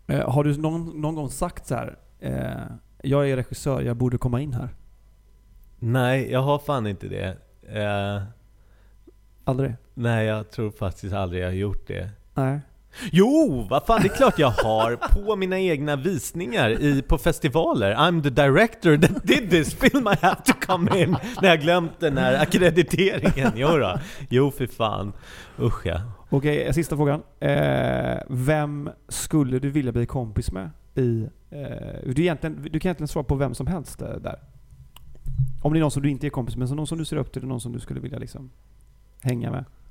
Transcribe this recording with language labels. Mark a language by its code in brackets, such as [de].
[sv] Har du någon gång sagt så här: jag är regissör, jag borde komma in här? Nej, jag har fan inte det. Aldrig? Nej, jag tror faktiskt aldrig jag har gjort det. Nej. Jo, vad fan, det är klart jag har på mina egna visningar på festivaler. [en] I'm the director that did this film, I have to come in. [sv] När jag glömt den här akkrediteringen. Jo, för fan. Usch, ja. Okej, sista frågan. Vem skulle du vilja bli kompis med? Du kan egentligen svara på vem som helst där. Om det är någon som du inte är kompis med, så någon som du ser upp till, någon som du skulle vilja liksom hänga med.